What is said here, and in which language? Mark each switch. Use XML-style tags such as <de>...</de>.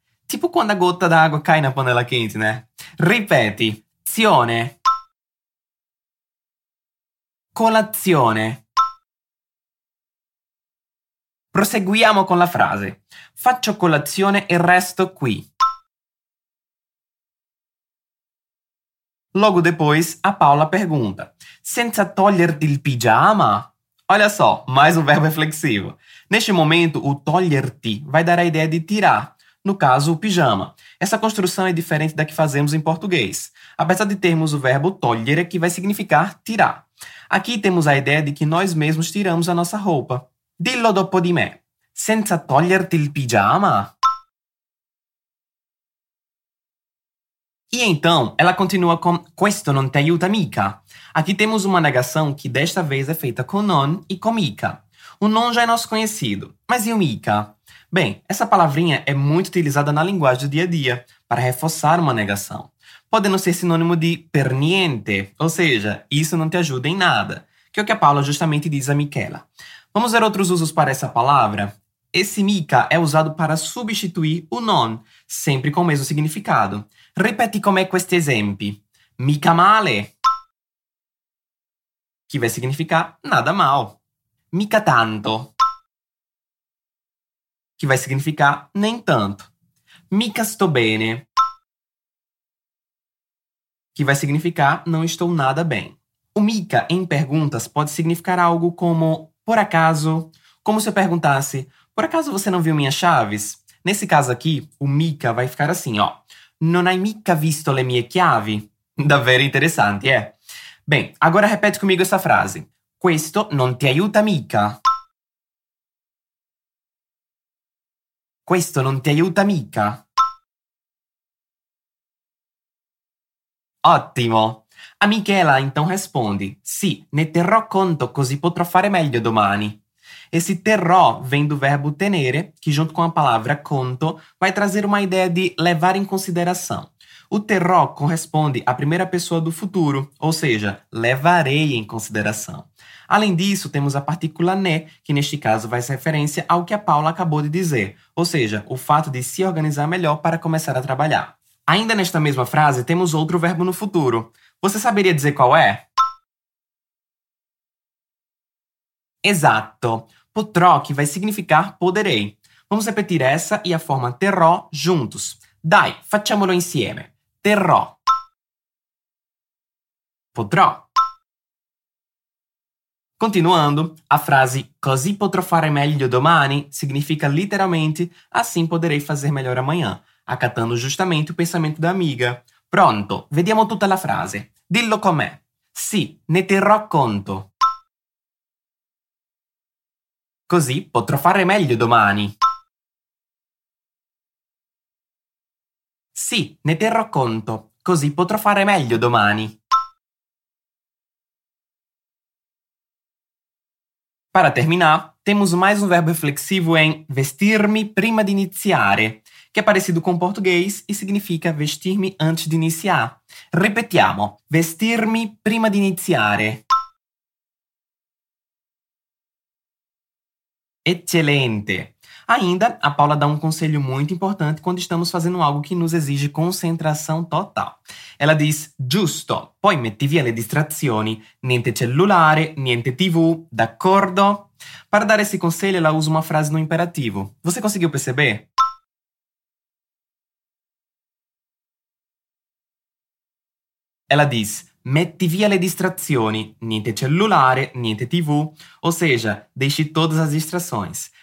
<pt>Tipo quando a gotta d'acqua cai na panela quente, né?</pt> <it>Ripeti. Zione. Colazione. Proseguiamo con la frase. Faccio colazione e resto qui.</it> <pt>Logo depois, a Paola pergunta.</pt> <it>Senza toglierti il pigiama?</it> <pt>Olha só, mais um verbo reflexivo. Neste momento, o toglierti vai dar a ideia de tirar, no caso, o pijama. Essa construção é diferente da que fazemos em português, apesar de termos o verbo togliere, que vai significar tirar. Aqui temos a ideia de que nós mesmos tiramos a nossa roupa.</pt> <it>Dillo dopo di me. Senza toglierti il pigiama?</it> <pt>E então, ela continua com</pt> <it>questo non ti aiuta mica.</it> <pt>Aqui temos uma negação que desta vez é feita com non e com mica. O non já é nosso conhecido, mas e o mica? Bem, essa palavrinha é muito utilizada na linguagem do dia a dia para reforçar uma negação. Podendo ser sinônimo de</pt> <it>per niente,</it> <pt>ou seja, isso não te ajuda em nada, que é o que a Paula justamente diz a Michaela. Vamos ver outros usos para essa palavra? Esse mica é usado para substituir o non, sempre com o mesmo significado. Repete com me questi esempi.</pt> <it>Mica male.</it> <pt>Que vai significar nada mal.</pt> <it>Mica tanto.</it> <pt>Que vai significar nem tanto.</pt> <it>Mica sto bene.</it> <pt>Que vai significar não estou nada bem. O mica em perguntas pode significar algo como por acaso. Como se eu perguntasse, por acaso você não viu minhas chaves? Nesse caso aqui, o mica vai ficar assim, ó.</pt> <it>Non hai mica visto le mie chiavi? Davvero interessante, é?</it> <pt>Bem, agora repete comigo essa frase.</pt> <it>Questo non ti aiuta mica. Questo non ti aiuta mica. Ottimo!</it> <pt>A Michela então responde.</pt> <it>Sì, ne terrò conto così potrò fare meglio domani.</it> <pt>Esse terrò vem do verbo tenere, que junto com a palavra conto, vai trazer uma ideia de levar em consideração. O terrò corresponde à primeira pessoa do futuro, ou seja, levarei em consideração. Além disso, temos a partícula ne, que neste caso faz referência ao que a Paula acabou de dizer, ou seja, o fato de se organizar melhor para começar a trabalhar. Ainda nesta mesma frase, temos outro verbo no futuro. Você saberia dizer qual é? Exato. Potrò, que vai significar poderei. Vamos repetir essa e a forma terrò juntos.</pt> <it>Dai, facciamolo insieme. Terrò. Potrò.</it> <pt>Continuando, a frase</pt> <it>così potrò fare meglio domani</it> <pt>significa literalmente assim poderei fazer melhor amanhã, acatando justamente o pensamento da amiga.</pt> <it>Pronto, vediamo tutta la frase. Dillo com'è. Sì, ne terrò conto. Così potrò fare meglio domani. Sì, ne terrò conto. Così potrò fare meglio domani.</it> <pt>Para terminar, temos mais verbo reflexivo em vestir-me prima de iniciar, que é parecido com português e significa vestir-me antes de iniciar.</pt> <it>Repetiamo.</it> <pt>Vestir-me prima de iniciar. Excelente! Ainda, a Paula dá conselho muito importante quando estamos fazendo algo que nos exige concentração total. Ela diz,</pt> <it>giusto, poi metti via le distrazioni, niente cellulare, niente TV, d'accordo?</it> <pt>Para dar esse conselho, ela usa uma frase no imperativo. Você conseguiu perceber? Ela diz,</pt> <it>metti via le distrazioni, niente cellulare, niente TV,</it> <pt>ou seja, deixe todas as distrações.</pt>